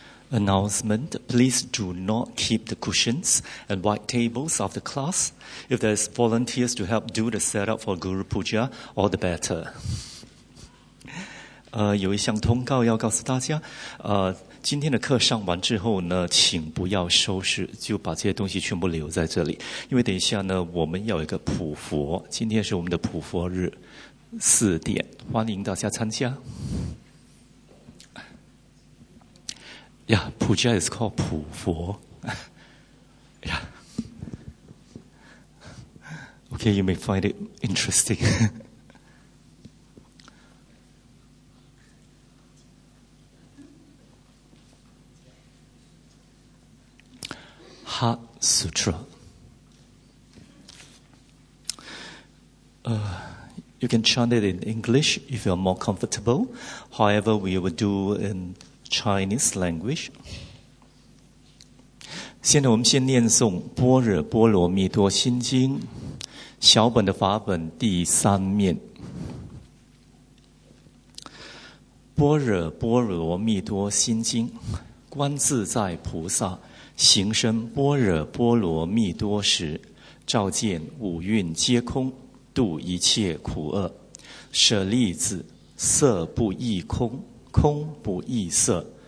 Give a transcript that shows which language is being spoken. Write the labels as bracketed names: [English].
[English] Announcement, please do not keep the cushions and white tables of the class. If there's volunteers to help do the setup for Guru Puja, all the better. [Chinese] 有一项通告要告诉大家，今天的课上完之后呢，请不要收拾，就把这些东西全部留在这里。因为等一下呢，我们要有一个普佛，今天是我们的普佛日，4点，欢迎大家参加。 [English] Yeah, Puja is called 普佛。 Yeah. Okay, you may find it interesting. Heart Sutra. You can chant it in English if you're more comfortable. However, we will do inChinese language. [Chinese] 现在我们先念诵《般若波罗蜜多心经》小本的法本第三面。般若波罗蜜多心经，观自在菩萨行深般若波罗蜜多时，照见五蕴皆空，度一切苦厄，舍利子，色不异空，空不异色。